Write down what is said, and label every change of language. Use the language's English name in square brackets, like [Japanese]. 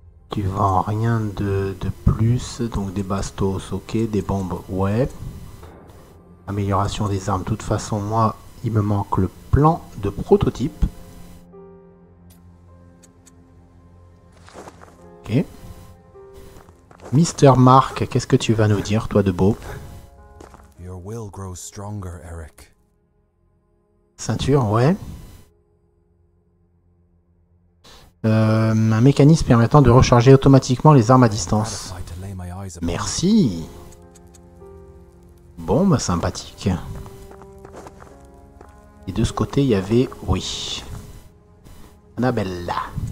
[French] Tu vends rien de plus, donc des bastos, ok, des bombes, ouais. Amélioration des armes, de toute façon, moi, il me manque le plan de prototype. Okay. Mister Mark, qu'est-ce que tu vas nous dire, toi, de beau? [English] Your will grows stronger, Eric. [French] Ceinture, ouais. Un mécanisme permettant de recharger automatiquement les armes à distance. Merci. Bon, bah, sympathique. Et de ce côté, il y avait... Oui. Annabella.